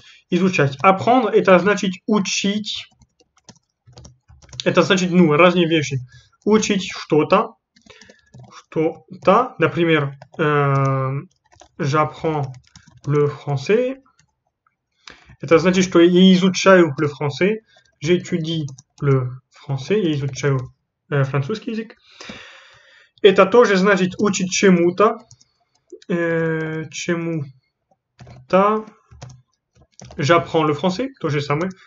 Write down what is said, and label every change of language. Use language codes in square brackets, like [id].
[ru] изучать. Apprendre, это значит учить. Это значит, ну, разные вещи. Учить что-то. Что-то. Например, [fr] j'apprends le français. [ru] Это значит, что я изучаю le français. [fr] J'étudie le français. [ru] Я изучаю французский язык. Это тоже значит учить чему-то. Чему-то. [fr] J'apprends le français. [ru] То же самое.